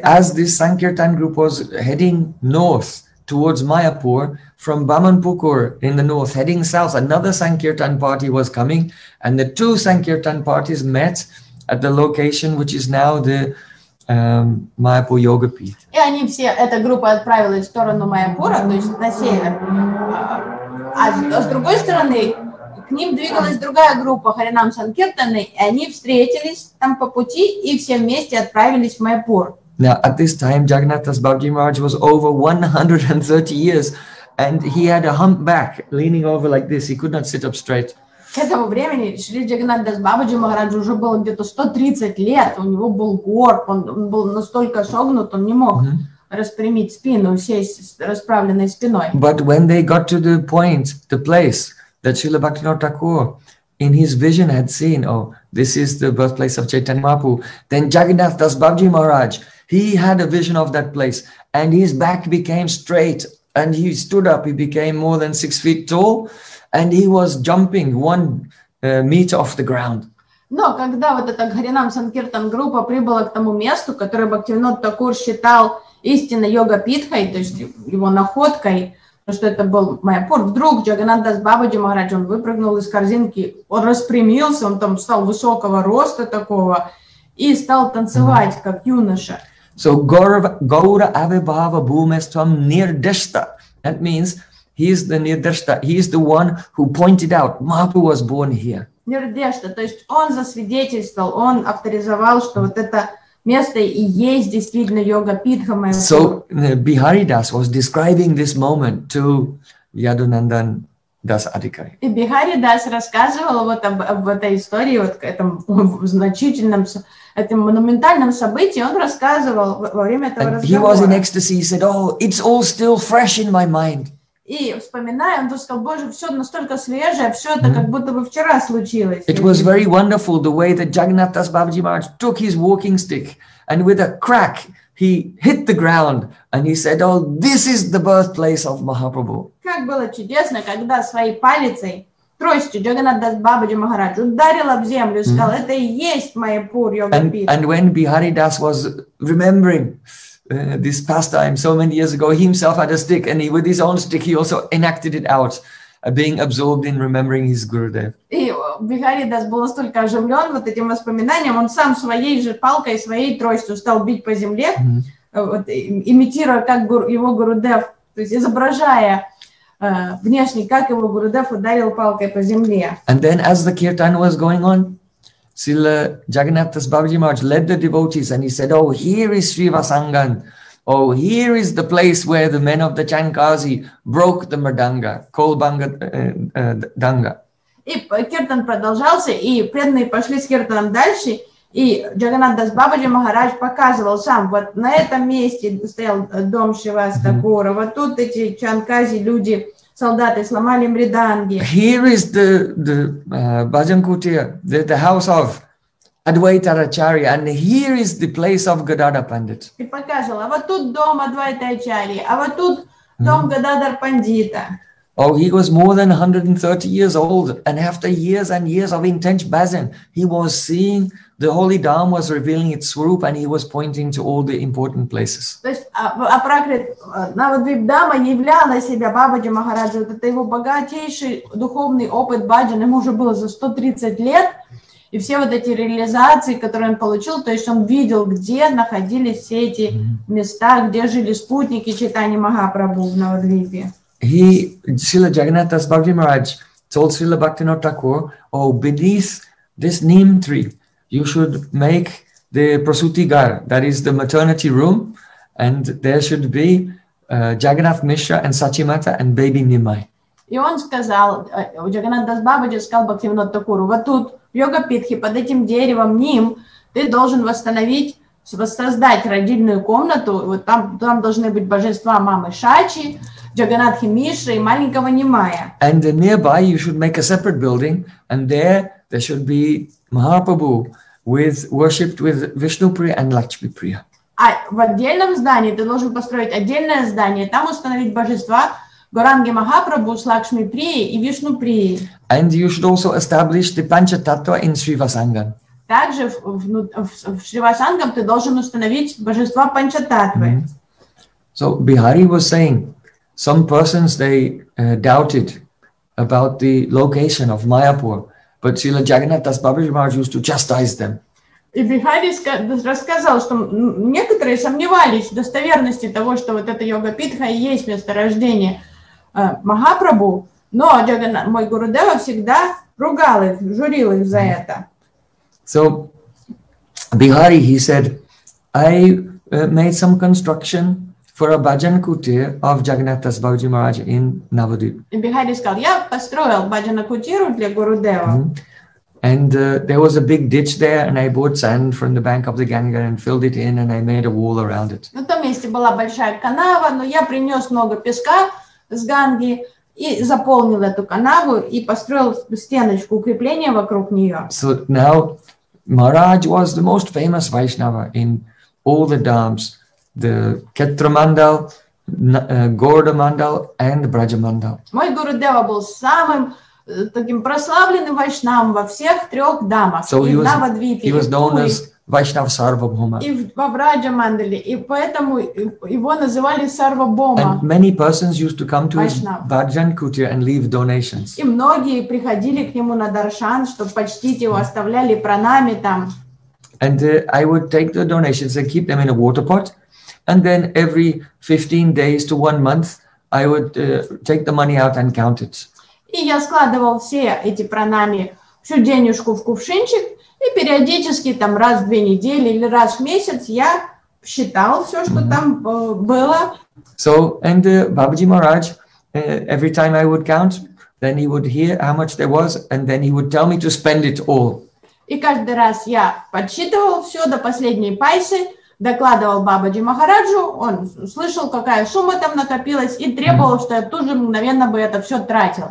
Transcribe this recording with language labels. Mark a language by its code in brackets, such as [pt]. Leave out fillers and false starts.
[en] So, as this Sankirtan group was heading north towards Mayapur, from Bamanpukur in the north, heading south, another Sankirtan party was coming and the two Sankirtan parties met at the location which is now the Mayapur Yoga Peeth. [ru] И они все, эта группа отправилась в сторону Майяпура, то есть на север. А с другой стороны, к ним двигалась другая группа Харинам Санкиртаны, и они встретились там по пути и все вместе отправились в Майяпур. [en] Now, at this time, Jagannath Das Babaji Maharaj was over 130 years, and he had a humpback, leaning over like this. He could not sit up straight. [ru] К этому времени Шри Джагнат Дас Бабаджи Махараджу уже было где-то 130 лет, у него был горб, он был настолько согнут, он не мог распрямить спину, сесть с расправленной спиной. [en] But when they got to the point, the place that Srila Bhaktivinoda Thakur in his vision had seen, oh, this is the birthplace of Chaitanya Mahaprabhu, then Jagannath Das Babaji Maharaj, he had a vision of that place and his back became straight and he stood up, he became more than 6 feet tall. And he was jumping one meter off the ground. [ru] Но когда вот эта Харинам Санкиртан группа прибыла к тому месту, которое Бхактивинода Такур считал истинной йога-питхой, то есть его находкой, потому что это был Майяпур, вдруг Джагннат Дас Бабаджи Махарадж, он выпрыгнул из корзинки, он распрямился, он там стал высокого роста такого и стал танцевать, как юноша. [en] So, Gaura Ave Bhava Bhumestvam Nirdeshta. That means... He is the Nirdeshta. He is the one who pointed out Mahaprabhu was born here. [ru] Nirdeshta, то есть он засвидетельствовал, он авторизовал, что вот это место и есть действительно йога питха моя. [en] So Bihari Das was describing this moment to Yadunandan Das Adhikari. [ru] И Bihari Das рассказывал вот об этой истории, вот к этому значительном, этому монументальном событии, он рассказывал во время этого [en] And [ru] разговора. [en] He was in ecstasy. He said, "Oh, it's all still fresh in my mind." [ru] И вспоминая, он сказал, Боже, все настолько свежее, все это как будто бы вчера случилось. [en] It was very wonderful the way that Jagannath Das Babaji Maharaj took his walking stick and with a crack he hit the ground and he said, oh, this is the birthplace of Mahaprabhu. [ru] Как было чудесно, когда своей палицей тростью Джаганнатха Бабаджи Махарадж ударила в землю и сказала, это и есть моя пур йога пита. [en] And when Bihari Das was remembering this pastime so many years ago, he himself had a stick and he, with his own stick he also enacted it out, being absorbed in remembering his Gurudev. [ru] И Бихари Дас был настолько оживлен вот этим воспоминанием, он сам своей же палкой, своей тростью стал бить по земле, вот, имитируя как его Гурудев, то есть изображая внешне, как его Гурудев ударил палкой по земле. [en] And then as the kirtan was going on, Srila Jagannatha Babaji Maharaj led the devotees and he said, oh, here is Srivasangan. Oh, here is the place where the men of the Chankasi broke the mardanga, kolbanga danga. [ru] И киртан продолжался, и преданные пошли с киртаном дальше, и Джагнатха Бабаджи Махарадж показывал сам, вот на этом месте стоял дом Шивастакура, вот тут эти Чанкази люди, солдаты сломали мриданги. [en] Here is the bhajan kutia, the house of Advaita Acharya, and here is the place of Gadadhar Pandit. [ru] И показывал, а вот тут дом Адвайта Ачарьи, а вот тут дом Гададар Пандита. [en] Oh, he was more than 130 years old, and after years and years of intense bhajan, he was seeing the holy Dharma was revealing its swarup, and he was pointing to all the important places. [ru] То есть, а Пракрит, Навадвип Дама являла на себя Бабаджи Махараджа, вот это его богатейший духовный опыт бхаджан, ему уже было за 130 лет. И все вот эти реализации, которые он получил, то есть он видел, где находились все эти места, где жили спутники Чайтаньи Махапрабху в Навадвипе. [en] He, Srila Jagannatha Babaji Maharaj, told Srila Bhaktivinoda Thakur, oh, beneath this neem tree, you should make the prasuti ghar, that is the maternity room, and there should be Jagannath Mishra and Sachimata and baby Nimai. [ru] И он сказал, Джагнатха Бабаджи сказал Бхактивинода Такуру, вот тут, в йога-питхе, под этим деревом, ним, ты должен восстановить, воссоздать родильную комнату, вот там, там должны быть божества мамы Шачи, Джагнатхи Мишры и маленького Нимая. [en] And nearby you should make a separate building, and there there should be Mahaprabhu, with, worshipped with Vishnu Priya and Lakshmi Priya. [ru] А в отдельном здании ты должен построить отдельное здание, там установить божества, Гуранги Махапрабху, Лакшми Прии и Вишну Прии. [en] And you should also establish the Pancha Tattva in Srivasangam. [ru] Также в Srivasangam ты должен установить божества Pancha Tattva. [en] So Bihari was saying, some persons they doubted about the location of Mayapur, but Srila Jagannatha Babaji Maharaj used to chastise them. [ru] И Бихари рассказал, что некоторые сомневались в достоверности того, что вот эта йога питха и есть месторождение Махапрабху, но мой Гурудева всегда ругал их, журил их за это. [en] So, Bihari, he said, I made some construction for a bhajan kutir of Jagannatha Babaji Maharaj in Navadvip. [ru] И Бихари сказал, я построил бхаджана кутиру для Гурудева. [en] And there was a big ditch there, and I brought sand from the bank of the Ganga and filled it in, and I made a wall around it. [ru] На том месте была большая канава, но я принес много песка с Ганги и заполнил эту канаву и построил стеночку укрепления вокруг нее. [en] So now, Maharaj was the most famous Vaishnava in all the dharms, the Khetramandal, Gaurdamandal, and Brajamandal. [ru] Мой Гурудева был самым таким прославленным вайшнавом во всех трех дамах. [en] So [ru] и в Навадвипе, [en] he was known as Vaishnav Sarvabhuma. [ru] И во Враджа Мандале. И поэтому его называли Сарвабхума. [en] And many persons used to come to his bhajan kutir and leave donations. [ru] И многие приходили к нему на даршан, чтобы почтить его, оставляли пранами там. [en] And I would take the donations and keep them in a water pot. And then every 15 days to one month, I would take the money out and count it. [ru] И я складывал все эти пранами, всю денежку в кувшинчик, и периодически, там раз в две недели или раз в месяц, я считал все, что там было. [en] So, and Babaji Maharaj, every time I would count, then he would hear how much there was, and then he would tell me to spend it all. [ru] И каждый раз я подсчитывал все до последней пайсы, докладывал Бабаджи Махараджу, он слышал, какая сумма там накопилась, и требовал, что я тут же мгновенно бы это все тратил.